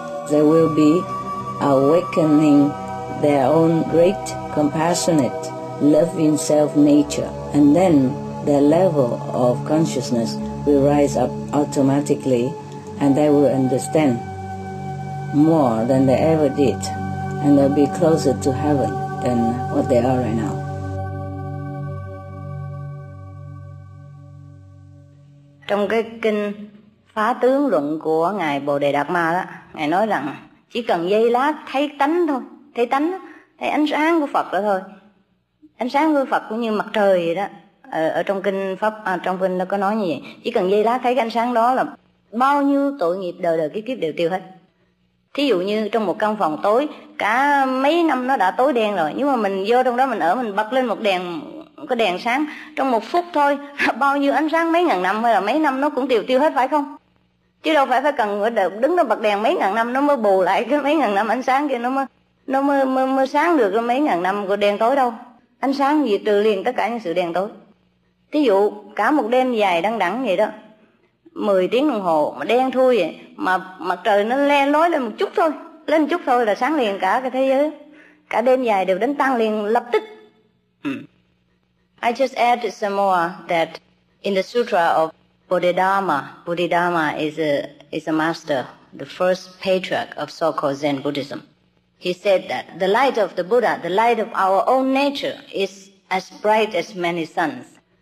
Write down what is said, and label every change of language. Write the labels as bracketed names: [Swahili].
[English] They will be awakening their own great, compassionate, loving self-nature, and then their level of consciousness will rise up automatically, and they will understand more than they ever did, and they'll be closer to heaven than what they are right now. [Vietnamese] Trong cái kinh phá tướng luận của ngài Bồ Đề Đạt Ma đó, ngài nói rằng chỉ cần giây lát thấy tánh thôi, thấy tánh, thấy ánh sáng của Phật đó thôi, ánh sáng của Phật cũng như mặt trời vậy đó. Ở trong kinh pháp trong kinh nó có nói như vậy, chỉ cần giây lát thấy cái ánh sáng đó là bao nhiêu tội nghiệp đời đời kiếp kiếp đều tiêu hết. Thí dụ như trong một căn phòng tối cả mấy năm nó đã tối đen rồi, nhưng mà mình vô trong đó mình ở, mình bật lên một đèn, có đèn sáng, trong một phút thôi bao nhiêu ánh sáng mấy ngàn năm hay là mấy năm nó cũng tiêu hết, phải không? Chứ đâu phải phải cần đứng đó bật đèn mấy ngàn năm nó mới bù lại cái mấy ngàn năm ánh sáng kia, nó mới sáng được mấy ngàn năm của đèn tối đâu. Ánh sáng gì trừ liền tất cả những sự đèn tối. Thí dụ cả một đêm dài đằng đẵng vậy đó, 10 tiếng đồng hồ mà đen thui vậy, mà mặt trời nó le lói lên một chút thôi, lên một chút thôi là sáng liền cả cái thế giới, cả đêm dài đều đánh tan liền lập tức. [English] I just added some more that in the Sutra of Bodhidharma, Bodhidharma is a master, the first patriarch of so-called Zen Buddhism. He said that the light of the Buddha, the light of our own nature, is as bright as many suns.